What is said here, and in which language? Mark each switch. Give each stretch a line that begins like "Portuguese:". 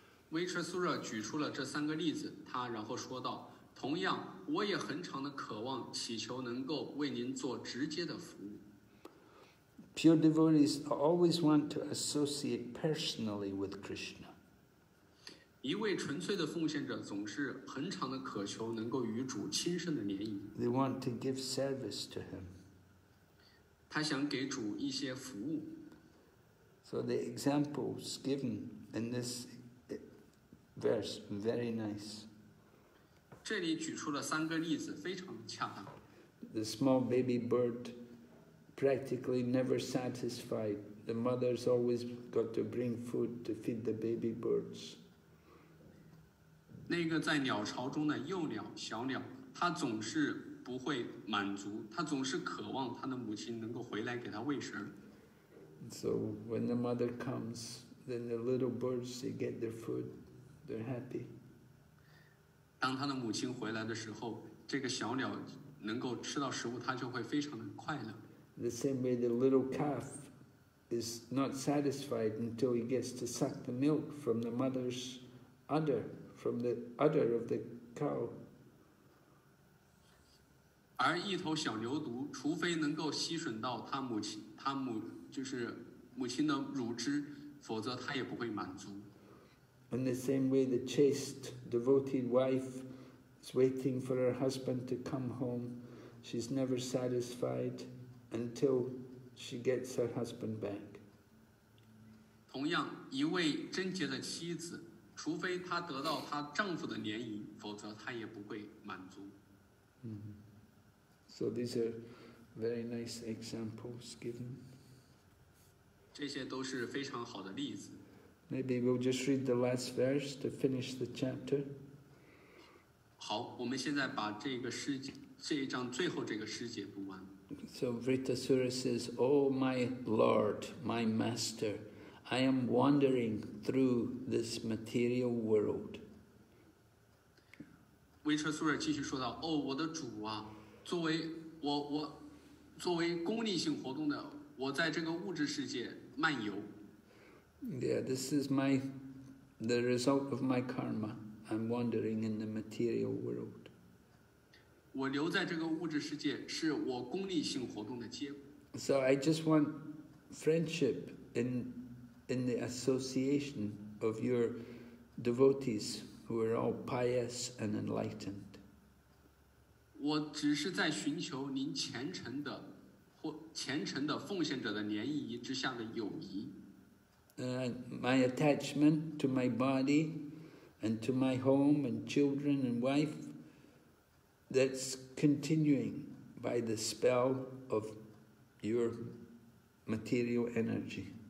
Chinese: Vritasura 举出了这三个例子，他然后说道，同样，我也很常的渴望祈求能够为您做直接的服务。
English: Pure devotees always want to associate personally with Krishna.
Chinese: 一位纯粹的奉献者总是很常的渴求能够与主亲身的联谊。
English: They want to give service to him.
Chinese: 他想给主一些服务。
English: So the examples given in this verse very nice.
Chinese: 这里举出了三个例子，非常恰当。
English: The small baby bird practically never satisfied. The mother's always got to bring food to feed the baby birds.
Chinese: 那个在鸟巢中的幼鸟、小鸟，它总是不会满足，它总是渴望它的母亲能够回来给它喂食。
English: So when the mother comes, then the little birds, they get their food, they're happy.
Chinese: 当它的母亲回来的时候，这个小鸟能够吃到食物，它就会非常的快乐。
English: The same way the little calf is not satisfied until he gets to suck the milk from the mother's udder, from the udder of the cow.
Chinese: 而一头小牛犊，除非能够吸吮到它母亲，它母就是母亲的乳汁，否则它也不会满足。
English: In the same way, the chaste, devoted wife is waiting for her husband to come home. She's never satisfied. Until she gets her husband back.
Chinese: 同样，一位贞洁的妻子，除非她得到她丈夫的怜悯，否则她也不会满足。
English: So these are very nice examples given.
Chinese: 这些都是非常好的例子。
English: Maybe we'll just read the last verse to finish the chapter.
Chinese: 好，我们现在把这个诗节，这一章最后这个诗节读完。
English: So Vritasura says, Oh my Lord, my Master, I am wandering through this material world.
Chinese: Vritasura 继续说道，哦，我的主啊，作为我作为功利性活动的，我在这个物质世界漫游。
English: Yeah, this is the result of my karma. I'm wandering in the material world.
Chinese: 我留在这个物质世界是我功利性活动的结果。
English: So I just want friendship in the association of your devotees who are all pious and enlightened.
Chinese: 我只是在寻求您虔诚的或虔诚的奉献者的涟漪之下的友谊。
English: My attachment to my body and to my home and children and wife. That's continuing by the spell of your material energy.